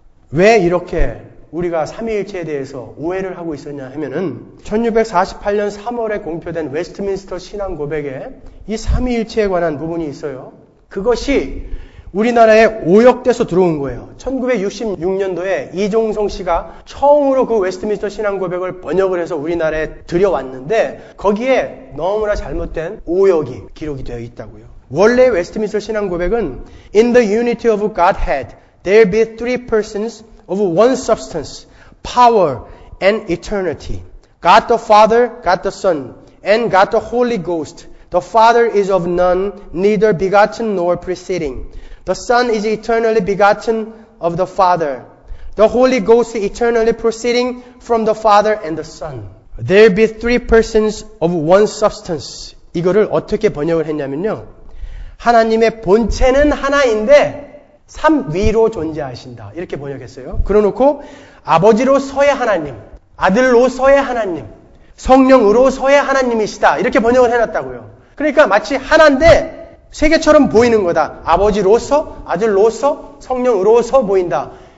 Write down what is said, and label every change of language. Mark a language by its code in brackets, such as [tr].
[ko] 왜 이렇게 우리가 삼위일체에 대해서 오해를 하고 있었냐 하면은 1648년 3월에 공표된 웨스트민스터 신앙 고백에 이 삼위일체에 관한 부분이 있어요. 그것이 우리나라에 오역돼서 들어온 거예요. 1966년도에 이종성 씨가 처음으로 그 웨스트민스터 신앙 고백을 번역을 해서 우리나라에 들여왔는데 거기에 너무나 잘못된 오역이 기록이 되어 있다고요. 원래 웨스트민스터 신앙 고백은 [en] In the unity of Godhead, there be three persons of one substance, power and eternity. God the Father, God the Son, and God the Holy Ghost. The Father is of none, neither begotten nor preceding. The Son is eternally begotten of the Father. The Holy Ghost is eternally proceeding from the Father and the Son. There be three persons of one substance. [ko] 이거를 어떻게 번역을 했냐면요. 하나님의 본체는 하나인데 삼위로 존재하신다. 이렇게 번역했어요. 그러놓고 아버지로서의 하나님, 아들로서의 하나님, 성령으로서의 하나님이시다. 이렇게 번역을 해놨다고요. 그러니까 마치 하나인데 세 개처럼 보이는 거다. 아버지로서, 아들로서, 성령으로서 보인다.